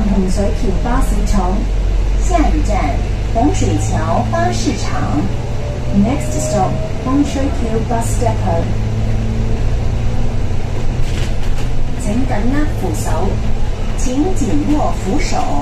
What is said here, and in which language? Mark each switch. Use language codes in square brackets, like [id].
[zh] 水桥巴士厂，下一站洪水桥巴士厂。 [en] Next stop， 洪水桥 bus depot。 [zh] 请紧握扶手，请紧握扶手。